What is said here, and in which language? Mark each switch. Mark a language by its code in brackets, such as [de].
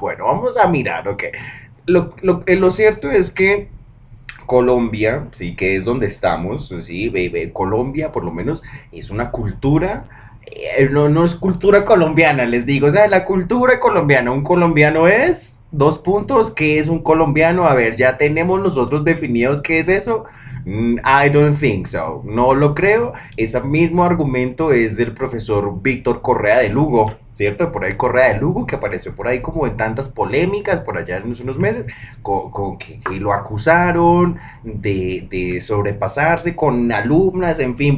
[es] Bueno, vamos a mirar, ok. Lo cierto es que Colombia, sí, que es donde estamos, sí, bebé, Colombia, por lo menos, es una cultura, no, no es cultura colombiana, les digo, o sea, la cultura colombiana, un colombiano es, dos puntos, ¿qué es un colombiano? A ver, ya tenemos nosotros definidos qué es eso. [en] I don't think so, [es] no lo creo. Ese mismo argumento es del profesor Víctor Correa de Lugo, ¿cierto? Por ahí Correa de Lugo, que apareció por ahí como en tantas polémicas por allá en unos meses, con que lo acusaron de sobrepasarse con alumnas, en fin.